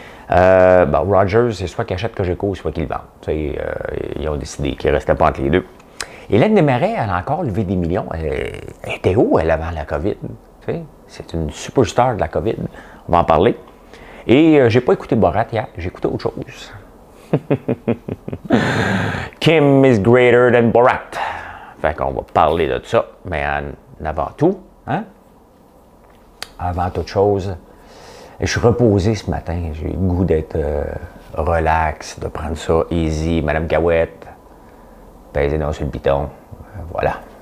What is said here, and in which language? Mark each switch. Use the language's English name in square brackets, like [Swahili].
[French] Rogers, c'est soit qu'il achète Cogeco, soit qu'il vend. Tu sais, ils ont décidé qu'il ne restait pas entre les deux. Hélène Desmarais, elle a encore levé des millions. Elle était où, elle, avant la COVID? Tu sais, c'est une superstar de la COVID. On va en parler. Et j'ai pas écouté Borat hier. J'ai écouté autre chose. [English] Kim is greater than Borat. [French] Fait qu'on va parler de ça. Mais avant tout, hein? Avant toute chose, je suis reposé ce matin. J'ai eu le goût d'être relax, de prendre ça easy. Madame Gawette. Pèser dans sur le piton. Voilà.